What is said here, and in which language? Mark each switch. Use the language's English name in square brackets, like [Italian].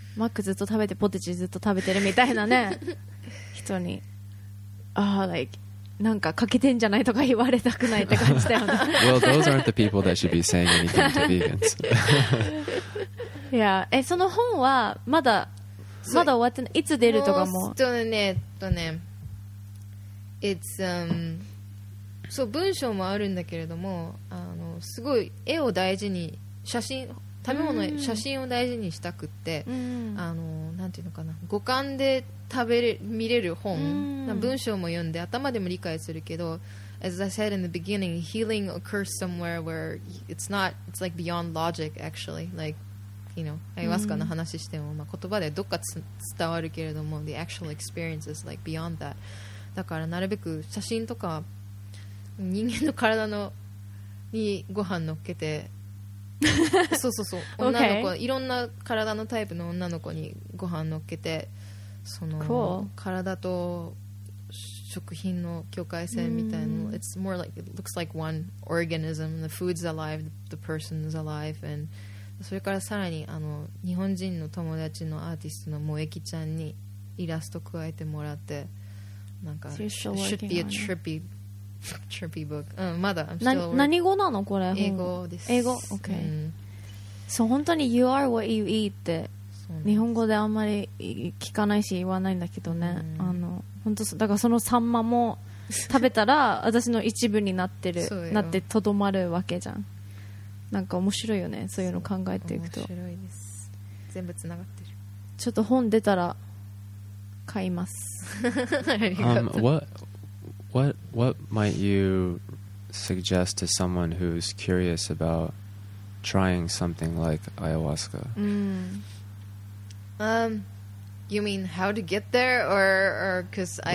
[Japanese] マックずっと食べてポテチずっと食べてるみたいなね。人に、なんか欠けてんじゃないとか言われたくないって感じだよね。 [English] Well, those aren't the people that should be saying anything to vegans. [Japanese] yeah, その本はまだ、so、まだ終わってない。いつ出るとかも。そうね、It's そう、文章もあるんだけれども、あのすごい絵を大事に、写真、食べ物の写真を大事にしたくって、あのなんていうのかな、五感で食べれ見れる本、文章も読んで頭でも理解するけど、 [English] as I said in the beginning, healing occurs somewhere where it's not, it's like beyond logic, actually. Like, you know, ayahuasca [Japanese] の話しても、まあ、言葉でどっか伝わるけれども、 [English] the actual experience is like beyond that. [Japanese] だからなるべく写真とか人間の体のにご飯乗っけて、そうそうそう、女の子、 [English] okay. [Japanese] いろんな体のタイプの女の子にご飯乗っけて、その、 [English] cool. [Japanese] 体と食品の境界線みたいな、mm. [English] It's more like, it looks like one organism. The food's alive, the person is alive. [Japanese] And それからさらにあの日本人の友達のアーティストの萌木ちゃんにイラスト加えてもらって、なんか、 so、 [English] it should be a trippy、 it. trippy book、 [Japanese] うん、まだ [English] I'm still [Japanese] 何語なのこれ、英語です、英語、okay. mm. so 本当に [English] You are what you eat [Japanese] って日本語であんまり聞かないし言わないんだけどね、mm. あの本当だからそのサンマも食べたら私の一部になってるなってとどまるわけじゃん。なんか面白いよね、そういうの考えていくと。面白いです、全部つながってる。ちょっと本出たら買います。 [English] What might you suggest to someone who's curious about trying something like ayahuasca? You mean how to get there, or because I